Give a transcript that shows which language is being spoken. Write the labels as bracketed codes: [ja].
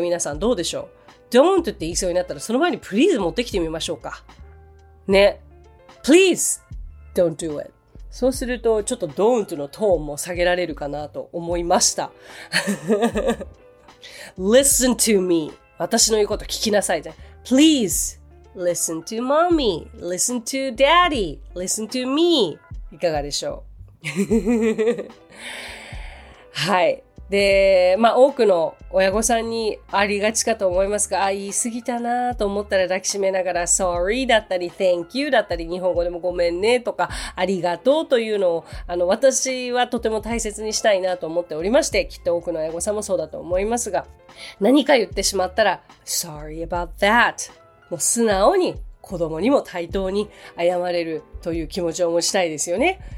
[ja] 皆さんどうでしょう？Don't って言いそうになったらその前に Please 持ってきてみましょうか。 [en] ね。Please don't do it. [ja] そうするとちょっと Don't のトーンも下げられるかなと思いました。 [en] Listen to me. [ja] 私の言うこと聞きなさいじゃん。 [en] Please listen to mommy, listen to daddy, listen to me. [ja] いかがでしょう。はい。で、まあ多くの親御さんにありがちかと思いますが、あ、言い過ぎたなと思ったら抱きしめながら Sorry だったり Thank you だったり、日本語でもごめんねとかありがとうというのを私はとても大切にしたいなと思っておりまして、きっと多くの親御さんもそうだと思いますが、何か言ってしまったら [en] Sorry about that、 [ja] もう素直に子供にも対等に謝れるという気持ちを持ちたいですよね。